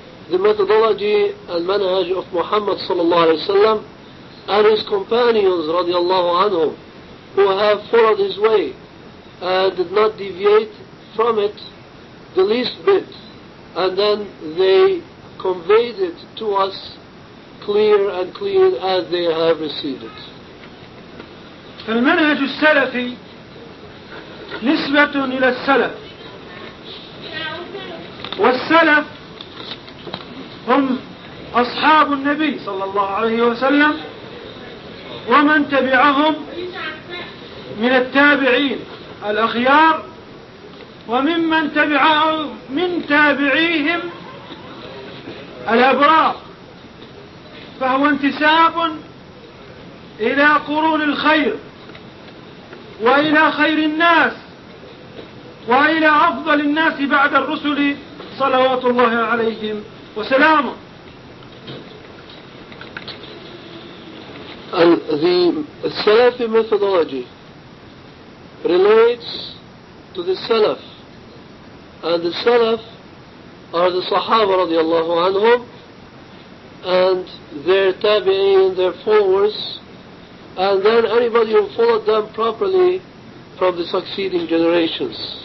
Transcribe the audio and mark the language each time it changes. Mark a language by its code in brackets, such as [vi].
[en] The methodology and manhaj of Muhammad sallallahu alayhi wa sallam and his companions radiallahu anhum who have followed his way and did not deviate from it the least bit, and then they conveyed it to us clear and clean as they have received it. [ar] فالمنهج السلفي نسبة إلى السلف، والسلف هم أصحاب النبي صلى الله عليه وسلم ومن تبعهم من التابعين الأخيار وممن تبعهم من تابعيهم الأبرار، فهو انتساب إلى قرون الخير وإلى خير الناس وإلى أفضل الناس بعد الرسل صلوات الله عليهم وسلامه. [en] And the Salafi methodology relates to the Salaf, and the Salaf are the Sahaba radiallahu anhum and their tabi'in, their followers, and then anybody who followed them properly from the succeeding generations.